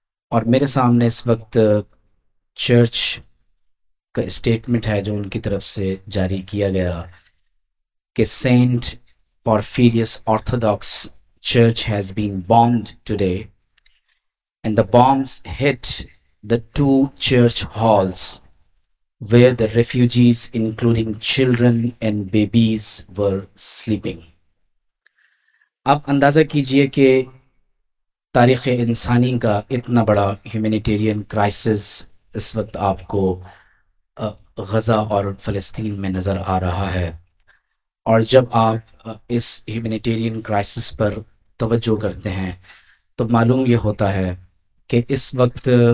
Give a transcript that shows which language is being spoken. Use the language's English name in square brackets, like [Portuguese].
[Urdu] اور میرے سامنے اس وقت چرچ کا اسٹیٹمنٹ ہے جو ان کی طرف سے جاری کیا گیا کہ [English] Saint Porphyrius Orthodox church has been bombed today and the bombs hit the two church halls where the refugees, including children and babies, were sleeping. [Urdu] آپ اندازہ کیجئے کہ تاریخ انسانی کا اتنا بڑا ہیومینیٹیرین کرائسس اس وقت آپ کو غزہ اور فلسطین میں نظر آ رہا ہے, اور جب آپ اس ہیومینیٹیرین کرائسس پر توجہ کرتے ہیں تو معلوم یہ ہوتا ہے کہ اس وقت